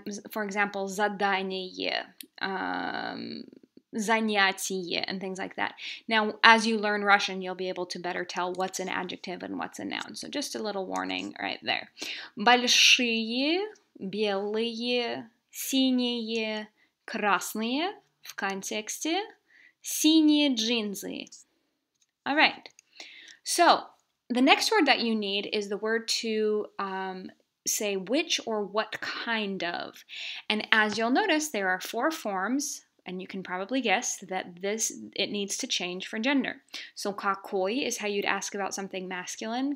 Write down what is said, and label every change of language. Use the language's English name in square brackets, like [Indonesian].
[English] For example, задание. Занятие and things like that. Now, as you learn Russian, you'll be able to better tell what's an adjective and what's a noun. So just a little warning right there. [Russian] Большие, белые, синие, красные. В контексте, синие джинсы. [English] All right. So the next word that you need is the word to say which or what kind of. And as you'll notice, there are four forms. And you can probably guess that this, it needs to change for gender. So, какой is how you'd ask about something masculine.